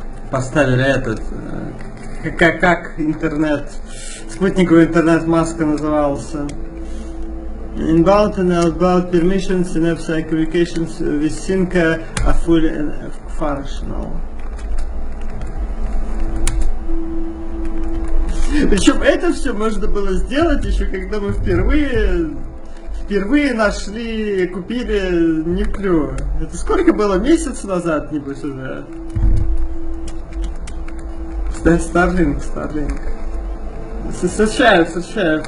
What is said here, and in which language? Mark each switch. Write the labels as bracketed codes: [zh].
[ru] Поставили этот, как интернет, спутниковый интернет Маска назывался. [en] Inbound and outbound permissions, synapse communications with SYNC are fully and functional. [ru] Причем это все можно было сделать еще когда мы впервые нашли, купили Nucleo. Это сколько было? Месяц назад, небось, уже? Starlink. Сообщаю.